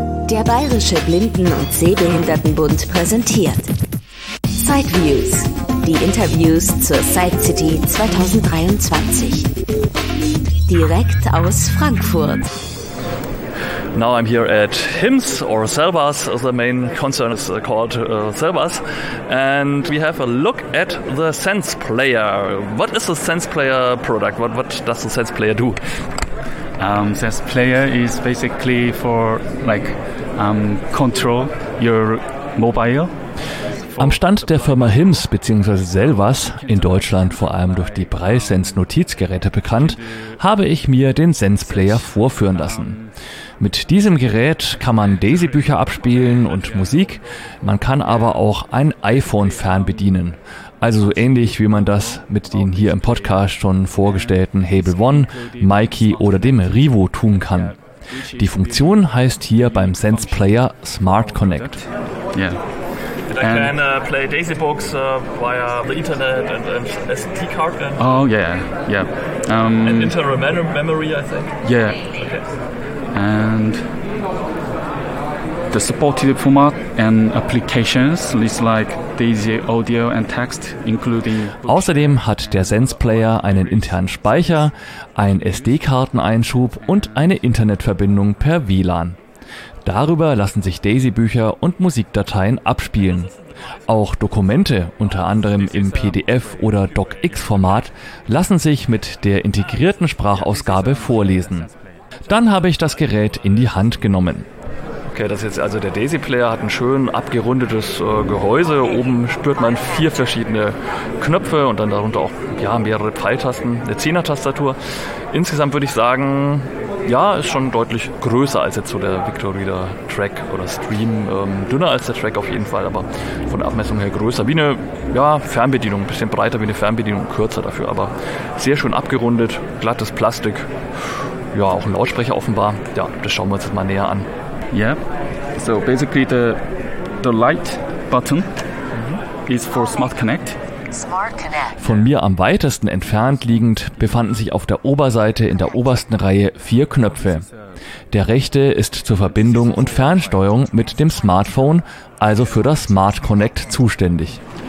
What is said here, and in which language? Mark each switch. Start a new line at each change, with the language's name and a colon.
German: Der Bayerische Blinden- und Sehbehindertenbund präsentiert Sideviews, die Interviews zur Side City 2023. Direkt aus Frankfurt.
English: Now I'm here at HIMSS, or Selvas, the main concern is called Selvas, and we have a look at the Sense Player. What is the Sense Player product? What does the Sense Player do? Sense Player is basically for like control your mobile.
German: Am Stand der Firma HIMSS bzw. Selvas, in Deutschland vor allem durch die Braille-Sense-Notizgeräte bekannt, habe ich mir den Sense Player vorführen lassen. Mit diesem Gerät kann man Daisy-Bücher abspielen und Musik, man kann aber auch ein iPhone fernbedienen. Also so ähnlich, wie man das mit den hier im Podcast schon vorgestellten Hable One, Mikey oder dem Rivo tun kann. Die Funktion heißt hier beim Sense Player Smart Connect. Yeah.
English: And I can play Daisy Books via the internet and SD card. Oh, yeah, yeah. And internal memory, I think. Yeah. Okay. And the supported format and applications is like Daisy Audio and Text, including.
German: Außerdem hat der Sense Player einen internen Speicher, einen SD-Karteneinschub und eine Internetverbindung per WLAN. Darüber lassen sich Daisy-Bücher und Musikdateien abspielen. Auch Dokumente, unter anderem im PDF- oder DocX-Format, lassen sich mit der integrierten Sprachausgabe vorlesen. Dann habe ich das Gerät in die Hand genommen. Okay, das ist jetzt also der Daisy Player, hat ein schön abgerundetes Gehäuse. Oben spürt man 4 verschiedene Knöpfe und dann darunter auch ja, mehrere Pfeiltasten, eine 10er-Tastatur. Insgesamt würde ich sagen, ja, ist schon deutlich größer als jetzt so der Victor Reader Track oder Stream. Dünner als der Track auf jeden Fall, aber von der Abmessung her größer. Wie eine ja, Fernbedienung, ein bisschen breiter wie eine Fernbedienung, kürzer dafür, aber sehr schön abgerundet, glattes Plastik. Ja, auch ein Lautsprecher offenbar. Ja, das schauen wir uns jetzt mal näher an. Ja, yeah.
English: So basically the light button is for Smart Connect.
German: Von mir am weitesten entfernt liegend befanden sich auf der Oberseite in der obersten Reihe 4 Knöpfe. Der rechte ist zur Verbindung und Fernsteuerung mit dem Smartphone, also für das Smart Connect zuständig.